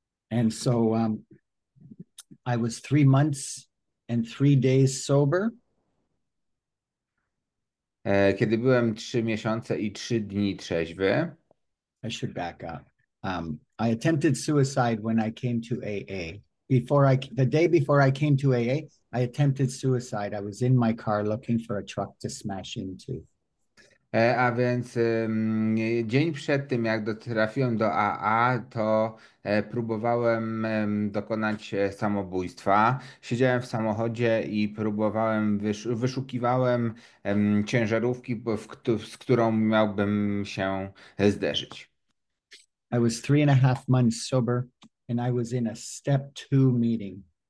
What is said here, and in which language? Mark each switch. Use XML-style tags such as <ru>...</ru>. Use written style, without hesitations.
<en>And so I was 3 months and 3 days sober.</en> <pl>Kiedy byłem 3 miesiące i 3 dni trzeźwy,</pl> <en>I should back up. I attempted suicide when I came to AA. The day before I came to AA, I attempted suicide. I was in my car looking for a truck to smash into.</en> <pl>A więc dzień przed tym, jak trafiłem do AA, to próbowałem dokonać samobójstwa. Siedziałem w samochodzie i wyszukiwałem ciężarówki, z którą miałbym się zderzyć.</pl> <en>I was 3.5 months sober, and I was in a step two meeting.</en>